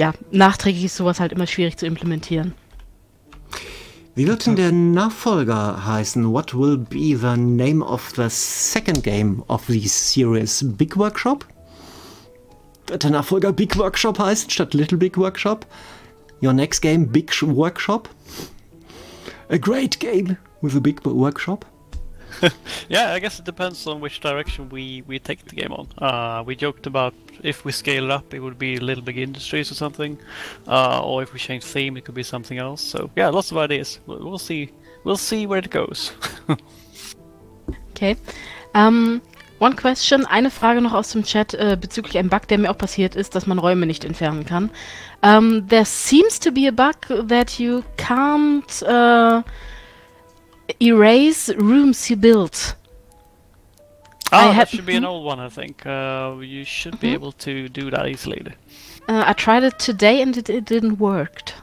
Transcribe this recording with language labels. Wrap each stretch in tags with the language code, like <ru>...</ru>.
<de>Nachträglich ist sowas halt immer schwierig zu implementieren. Wie wird denn der Nachfolger heißen?</de> <en>What will be the name of the second game of the series? Big Workshop?</en> <de>Wird der Nachfolger Big Workshop heißen statt Little Big Workshop?</de> <en>Your next game, Big Workshop? A great game with a big workshop? Yeah, I guess it depends on which direction we take the game on. We joked about if we scale it up, it would be Little Big Industries or something. Or if we change theme, it could be something else. So yeah, lots of ideas. We'll see where it goes. Okay. One question,</en> <de>eine Frage noch aus dem Chat bezüglich einem Bug, der mir auch passiert ist, dass man Räume nicht entfernen kann.</de> <en>There seems to be a bug that you can't erase rooms you built. Oh, that should be an old one, I think. You should be able to do that easily. I tried it today and it didn't work.</en>